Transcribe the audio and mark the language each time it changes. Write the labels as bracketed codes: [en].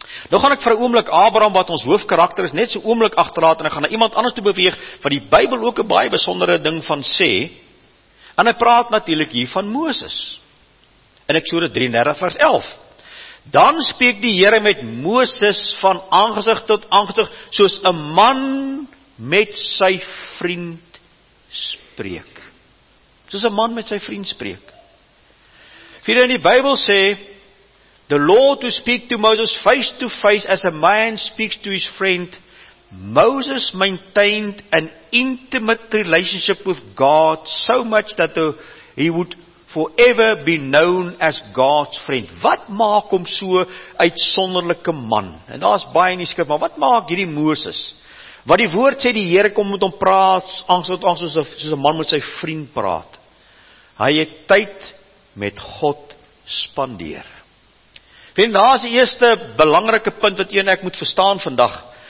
[af] Nou gaan ek vir 'n oomblik Abraham, wat ons hoofkarakter is, net so oomblik agterlaat, en ek gaan na iemand anders toe beweeg, wat die Bybel ook 'n baie besondere ding van sê, en hy praat natuurlik hier van Moses. In Eksodus 33 vers 11, dan spreek die Here met Moses van aangesig tot aangesig, soos 'n man met sy vriend spreek. Soos 'n man met sy vriend spreek. Vir in die Bybel sê, [en] the Lord who speak to Moses face to face as a man speaks to his friend, Moses maintained an intimate relationship with God so much that he would forever be known as God's friend. [af] Wat maak hom so uitsonderlike man? En daar is baie in die skrif, maar wat maak hierdie Moses? Wat die woord sê, die Here kom met hom praat, soos 'n man met sy vriend praat. Hy het tyd met God spandeer. En daar is die eerste belangrike punt wat jy en ek moet verstaan vandag.